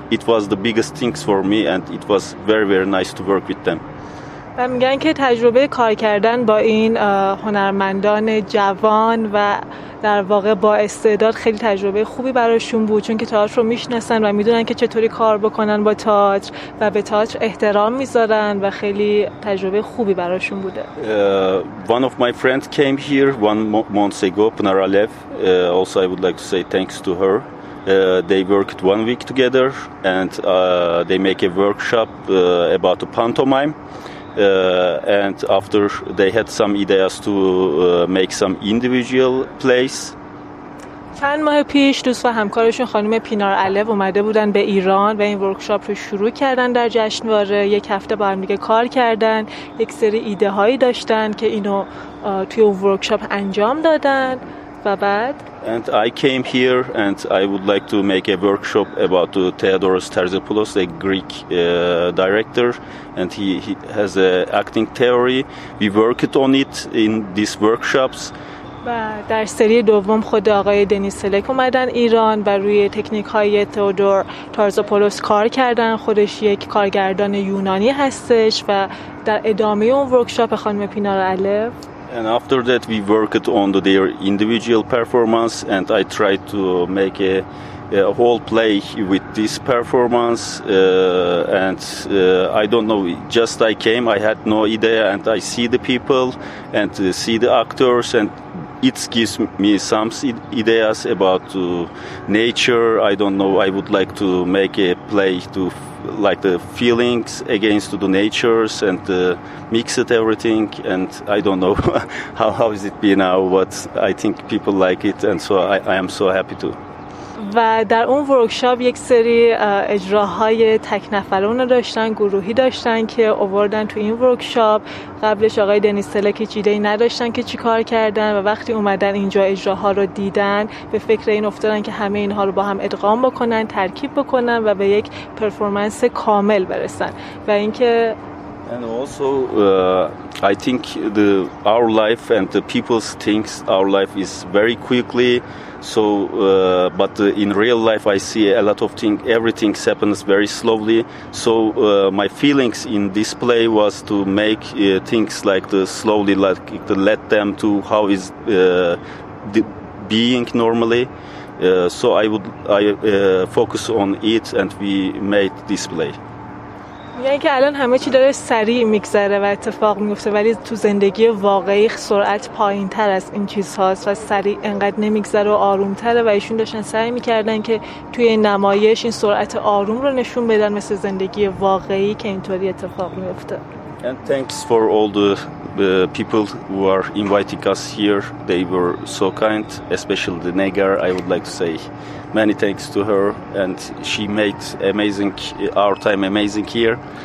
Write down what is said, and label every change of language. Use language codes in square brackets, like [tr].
[en] It was the biggest things for me and it was very very nice to work with them. [fa] و میگن که تجربه کار کردن با این هنرمندان جوان و در واقع با استعداد خیلی تجربه خوبی براشون بود، چون که تئاتر رو میشناسن و میدونن که چطوری کار بکنن با تئاتر و به تئاتر احترام میذارن و خیلی تجربه خوبی براشون بوده. [en] One of my friends came here one month ago, Pınar Alev. Also I would like to say thanks to her. They worked one week together and they make a workshop about the pantomime. And after they had some ideas to make some individual plays. [fa] چند ماه پیش دوست و همکارشون خانم پینار علو اومده بودن به ایران و این ورکشاپ رو شروع کردن در جشنواره. یک هفته با هم دیگه کار کردن، یک سری ایده هایی داشتن که اینو توی اون ورکشاپ انجام دادن و بعد [en] And I came here and I would like to make a workshop about Theodoros Terzepoulos, a Greek director, and he has an acting theory. We worked on it in these workshops. [fa] و در سری دوم خود آقای دنیز تلک اومدن ایران و روی تکنیک های تئودور تارزاپولوس کار کردن. خودش یک کارگردان یونانی هستش و در ادامه اون ورکشاپ خانم پینار علو [en] And after that we worked on their individual performance and I tried to make a whole play with this performance and I don't know, just I came, I had no idea and I see the people and see the actors and it gives me some ideas about nature. I don't know, I would like to make a play to like the feelings against the natures and mix it everything, and I don't know how is it be now, but I think people like it, and so I am so happy to. [fa] و در اون ورکشاپ یک سری اجراهای تک نفرانه داشتن، گروهی داشتن که آوردن تو این ورکشاپ. قبلش آقای دنیس سلک چیده ای نداشتن که چی کار کردن و وقتی اومدن اینجا اجراها رو دیدن به فکر این افتادن که همه اینها رو با هم ادغام بکنن، ترکیب بکنن و به یک پرفورمنس کامل برسن. و اینکه [en] and also I think the our life and the people's thinks our life is very quickly. So, but in real life, I see a lot of things. Everything happens very slowly. So, my feelings in this play was to make things like the slowly, like to let them to how is the being normally. So, I focus on it, and we made this play. [fa] یعنی که الان همه چی داره سریع میگذره و اتفاق میفته، ولی تو زندگی واقعی سرعت پایین تر از این چیزهاست و سریع انقدر نمیگذره و آرومتره، و ایشون داشتن سعی میکردن که توی نمایش این سرعت آروم رو نشون بدن مثل زندگی واقعی که اینطوری اتفاق میفته. [en] And thanks for all the people who are inviting us here. They were so kind, especially the Negar. I would like to say many thanks to her, and she made amazing our time amazing here.